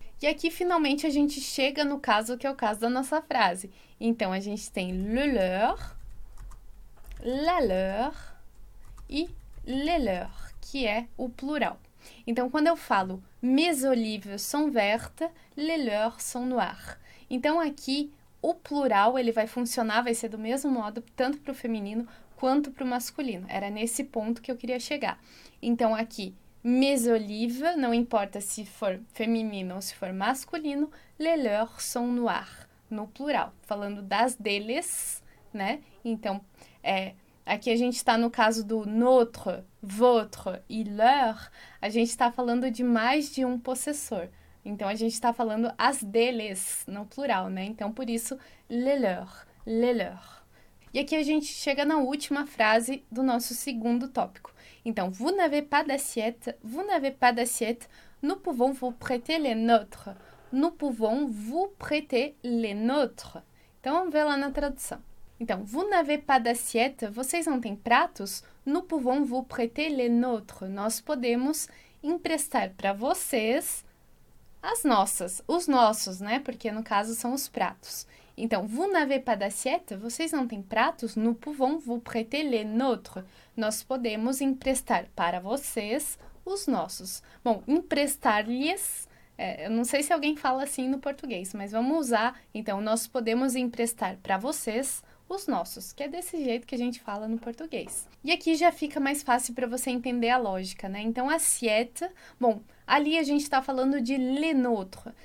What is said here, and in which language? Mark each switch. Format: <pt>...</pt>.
<pt>E aqui finalmente a gente chega no caso que é o caso da nossa frase. Então a gente tem le leur, la leur e les leurs, que é o plural. Então quando eu falo</pt> <fr>mes olives sont vertes, les leurs sont noires.</fr> <pt>Então aqui o plural ele vai funcionar, vai ser do mesmo modo tanto para o feminino quanto para o masculino. Era nesse ponto que eu queria chegar. Então aqui mes olives, não importa se for feminino ou se for masculino,</pt> <fr>les leurs sont noires,</fr> <pt>no plural, falando das deles, né? Então, aqui a gente está no caso do notre, votre e leur, a gente está falando de mais de um possessor. Então, a gente está falando as deles, no plural, né? Então, por isso, les leurs. E aqui a gente chega na última frase do nosso segundo tópico.</pt> <fr>Então, vous n'avez pas d'assiette, vous n'avez pas d'assiette, nous pouvons vous prêter les nôtres. Nous pouvons vous prêter les nôtres.</fr> <pt>Então, vamos ver lá na tradução. Então,</pt> <fr>vous n'avez pas d'assiette,</fr> <pt>vocês não têm pratos?</pt> <fr>Nous pouvons vous prêter les nôtres.</fr> <pt>Nós podemos emprestar para vocês as nossas, os nossos, né? Porque no caso são os pratos. Então,</pt> <fr>vous n'avez pas d'assiette,</fr> <pt>vocês não têm pratos?</pt> <fr>Nous pouvons vous prêter les nôtres.</fr> <pt>Nós podemos emprestar para vocês os nossos. Bom, emprestar-lhes, eu não sei se alguém fala assim no português, mas vamos usar. Então, nós podemos emprestar para vocês os nossos, que é desse jeito que a gente fala no português. E aqui já fica mais fácil para você entender a lógica, né? Então, assiette, bom, ali a gente está falando de le nôtre.</pt>